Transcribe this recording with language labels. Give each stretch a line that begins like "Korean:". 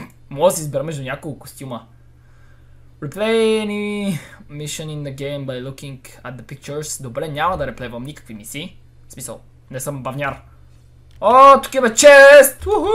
Bulgarian: Мога да си избера между няколко костюма.
English: Replay any mission in the game by looking at the pictures.
Bulgarian: Добре, няма да реплевам никакви мисии. В смисъл, не съм бавняр. О, тук има чест!